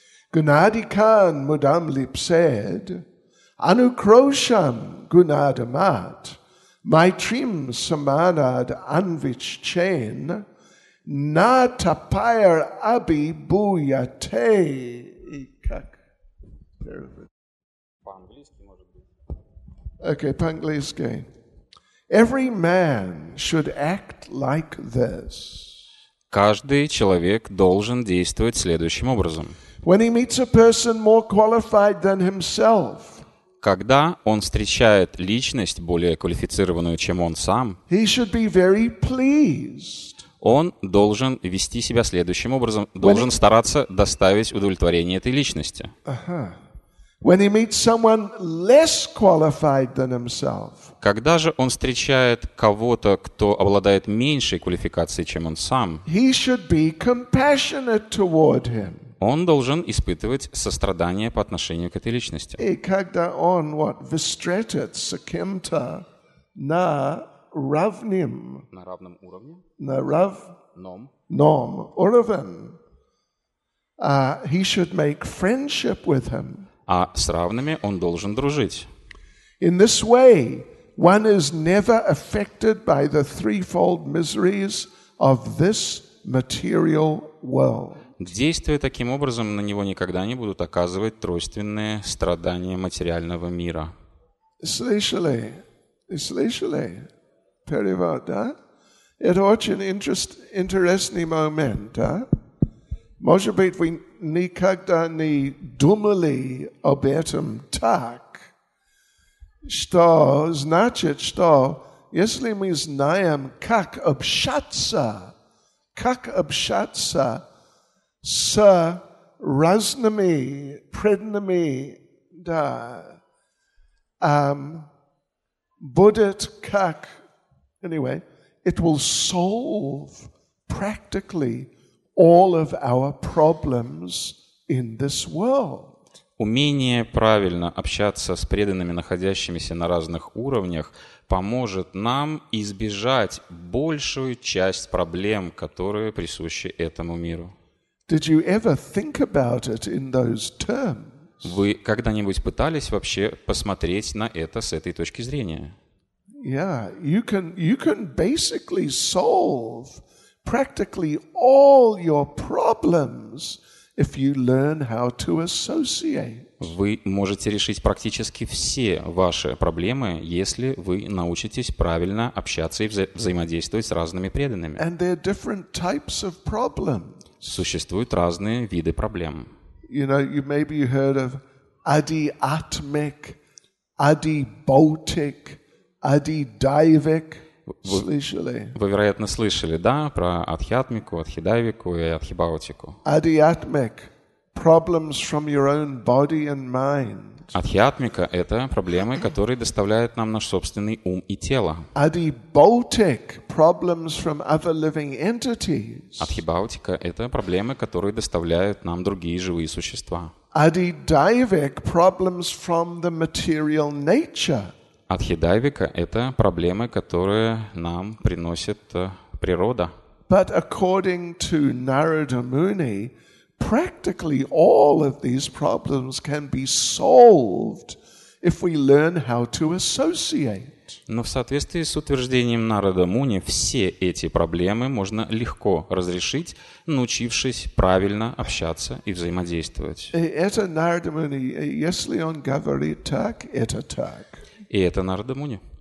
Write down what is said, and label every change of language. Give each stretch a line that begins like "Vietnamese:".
Sanskrit: Гунадикан мудам липсед, анукрошам гунадамат, майтрим самадад анвиччен, на тапайр аби буяте.
Russian: И как?
English: Okay,
Russian: по-английски.
English: Every man should act like this.
Russian: Каждый человек должен действовать следующим образом.
English: When he meets a person more qualified than himself,
Russian: когда он встречает личность более квалифицированную, чем он сам,
English: he should be very pleased.
Russian: Он должен вести себя следующим образом, должен стараться доставить удовлетворение этой личности.
English: When he meets someone less qualified than himself,
Russian: когда же он встречает кого-то, кто обладает меньшей квалификацией, чем он сам,
English: he should be compassionate toward him.
Russian: Он должен испытывать сострадание по отношению к этой личности. И когда он встретит с кем-то на равном... На равном уровне? На рав... Ном. Ном. Уровне.
English: He should make friendship with him.
Russian: А с равными он должен дружить.
English: In this way, one is never affected by the threefold miseries of this material world.
Russian: Действуя таким образом, на него никогда не будут оказывать тройственные страдания материального мира. Слышали? Слышали? Перевод, да? Это очень интересный момент, да? Может быть, вы никогда не думали об этом так, что значит, что если мы знаем, как общаться с разными преданными, да, будет как,
English: anyway, it will solve practically all of our problems in this world.
Russian: Умение правильно общаться с преданными, находящимися на разных уровнях, поможет нам избежать большую часть проблем, которые присущи этому миру.
English: Did you ever think about it in those terms?
Russian: Вы когда-нибудь пытались вообще посмотреть на это с этой точки зрения?
English: Yeah, you can basically solve practically all your problems if you learn how to associate.
Russian: Вы можете решить практически все ваши проблемы, если вы научитесь правильно общаться и взаимодействовать с разными преданными.
English: And there are different types of problems.
Russian: Существуют разные виды проблем.
English: You know, maybe you heard of adiatmic, adibotic, adidaivic.
Russian: Слышали? Вы, вероятно, слышали, да, про адхиатмику, адхидайвику и адхибаутику.
English: Adiatmic, problems from your own body and mind.
Russian: Адхиатмика – это проблемы, которые доставляют нам наш собственный ум и тело.
English: Adibautic – problems from other living entities.
Russian: Адхибаутика – это проблемы, которые доставляют нам другие живые существа.
English: Adidaivic – problems from the material nature.
Russian: Адхидайвика – это проблемы, которые нам приносит природа.
English: But according to Narada Muni, practically all of these problems can be solved if we learn how to associate.
Russian: Но в соответствии с утверждением Нарада Муни, все эти проблемы можно легко разрешить, научившись правильно общаться и взаимодействовать. Это Нарада Муни, если он говорит так, это так. И это Нарада Муни.